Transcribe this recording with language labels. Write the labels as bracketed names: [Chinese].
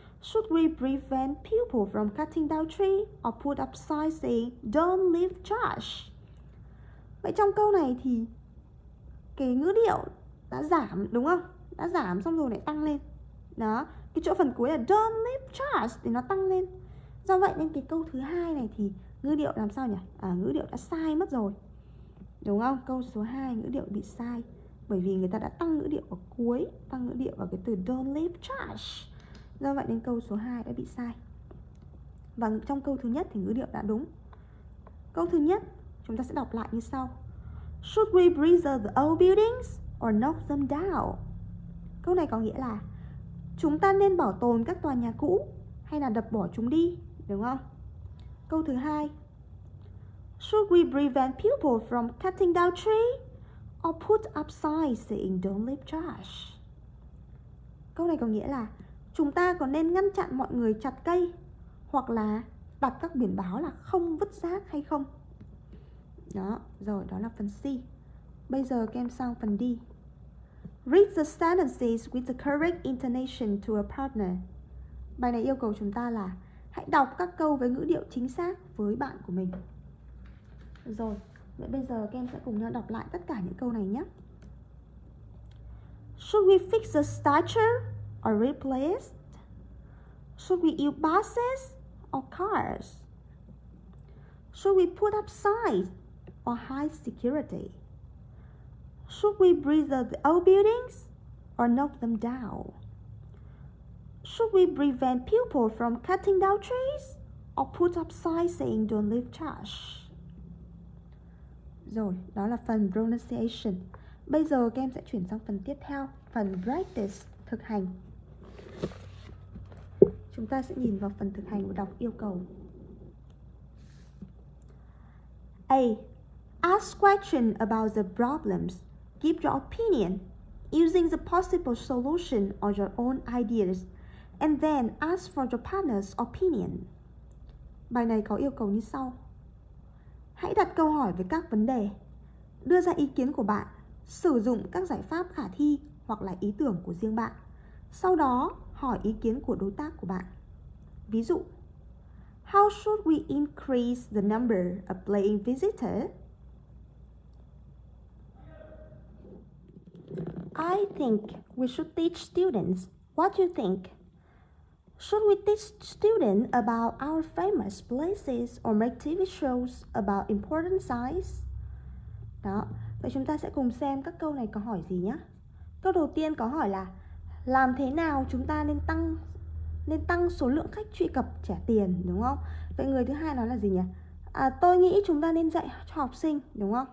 [English] Should we prevent people from cutting down trees or put up signs saying don't leave trash? [Vietnamese] Vậy trong câu này thì cái ngữ điệu đã giảm, đúng không? Đã giảm xong rồi lại tăng lên. Đó, cái chỗ phần cuối là [English] don't leave trash [Vietnamese] thì nó tăng lên. Do vậy nên cái câu thứ 2 này thì ngữ điệu làm sao nhỉ? À, ngữ điệu đã sai mất rồi. Đúng không? Câu số 2 ngữ điệu bị sai. Bởi vì người ta đã tăng ngữ điệu ở cuối, tăng ngữ điệu vào cái từ [English] don't leave trash. [Vietnamese] Do vậy nên câu số 2 đã bị sai. Và trong câu thứ nhất thì ngữ điệu đã đúng. Câu thứ nhất chúng ta sẽ đọc lại như sau. [English] Should we preserve the old buildings or knock them down? [Vietnamese] Câu này có nghĩa là chúng ta nên bảo tồn các tòa nhà cũ hay là đập bỏ chúng đi, đúng không? Câu thứ hai. [English] Should we prevent people from cutting down trees or put up signs saying don't leave trash? [Vietnamese] Câu này có nghĩa là chúng ta có nên ngăn chặn mọi người chặt cây hoặc là đặt các biển báo là không vứt rác hay không? Đó, rồi, đó là phần C. Bây giờ các em sang phần D. [English] Read the sentences with the correct intonation to a partner. [Vietnamese] Bài này yêu cầu chúng ta là hãy đọc các câu với ngữ điệu chính xác với bạn của mình. Rồi, vậy bây giờ các em sẽ cùng nhau đọc lại tất cả những câu này nhé. [English] Should we fix the statue or replace it? Should we use buses or cars? Should we put up signs or high security? Should we preserve the old buildings or knock them down? Should we prevent people from cutting down trees or put up signs saying don't leave trash? [Vietnamese] Rồi, đó là phần pronunciation. Bây giờ các em sẽ chuyển sang phần tiếp theo, phần practice, thực hành. Chúng ta sẽ nhìn vào phần thực hành và đọc yêu cầu. [English] A. Ask questions about the problems. Give your opinion using the possible solution or your own ideas. And then ask for your partner's opinion. [Vietnamese] Bài này có yêu cầu như sau. Hãy đặt câu hỏi về các vấn đề, đưa ra ý kiến của bạn, sử dụng các giải pháp khả thi hoặc là ý tưởng của riêng bạn. Sau đó, hỏi ý kiến của đối tác của bạn. Ví dụ, [English] how should we increase the number of paying visitors? I think we should teach students. What do you think? Should we teach students about our famous places or make TV shows about important sites? [Vietnamese] Đó, vậy chúng ta sẽ cùng xem các câu này có hỏi gì nhé. Câu đầu tiên có hỏi là làm thế nào chúng ta nên tăng số lượng khách truy cập trả tiền, đúng không? Vậy người thứ hai nói là gì nhỉ? À, tôi nghĩ chúng ta nên dạy cho học sinh, đúng không?